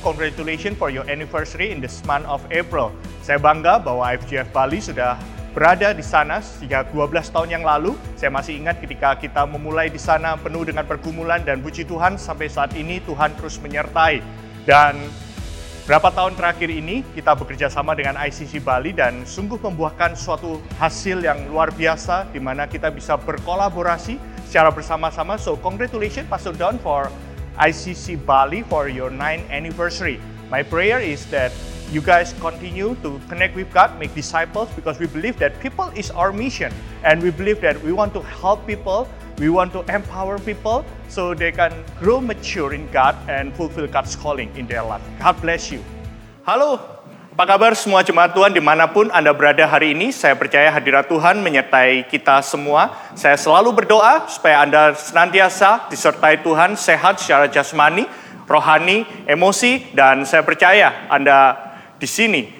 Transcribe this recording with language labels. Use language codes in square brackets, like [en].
[en] Congratulations for your anniversary in this month of April. [id] Saya bangga bahwa IFGF Bali sudah berada di sana sejak 12 tahun yang lalu. Saya masih ingat ketika kita memulai di sana penuh dengan pergumulan dan puji Tuhan, sampai saat ini Tuhan terus menyertai. Dan berapa tahun terakhir ini kita bekerja sama dengan ICC Bali dan sungguh membuahkan suatu hasil yang luar biasa di mana kita bisa berkolaborasi secara bersama-sama. [en] So, congratulations Pastor Don for ICC Bali for your 9th anniversary. My prayer is that you guys continue to connect with God, make disciples, because we believe that people is our mission. And we believe that we want to help people, we want to empower people, so they can grow mature in God and fulfill God's calling in their life. God bless you. [id] Halo, apa kabar semua jemaat Tuhan dimanapun Anda berada hari ini? Saya percaya hadirat Tuhan menyertai kita semua. Saya selalu berdoa supaya Anda senantiasa disertai Tuhan, sehat secara jasmani, rohani, emosi, dan saya percaya Anda di sini.